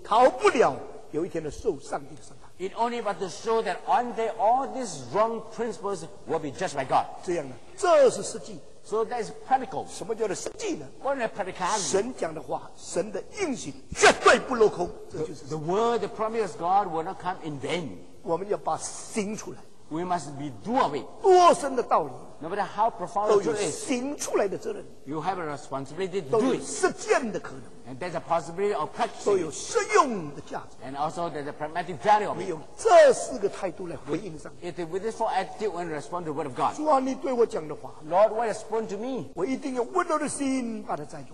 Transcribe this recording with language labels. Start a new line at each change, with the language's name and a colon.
Chinese: 法律的错误、钱财的错误、宗教的错误，都逃不了有一天的受上帝的审判。
English: It only but to show that on day all these wrong principles will be judged by God.
Chinese: 这样呢，这是实际。
English: So that is practical.
Chinese: 什么叫做实际呢？
English: What is practical?
Chinese: 神讲的话，神的应许绝对不落空。这就是。
English: The word, the promise of God will not come in vain.
Chinese: 我们要把行出来。
English: We must be doing.
Chinese: 多深的道理。
English: No matter how profound it is,
Chinese: 都有行出来的责任,
English: you have a responsibility to
Chinese: 都有实践的可能,
English: and there's a possibility of practice,
Chinese: 都有适用的价值,
English: and also there's a pragmatic value of it.
Chinese: 我们用这四个态度来回应上帝。
English: With this four attitude, when respond to the word of God,
Chinese: 主啊，你对我讲的话,
English: Lord, what has spoken to me?
Chinese: 我一定有温柔的心把它载住,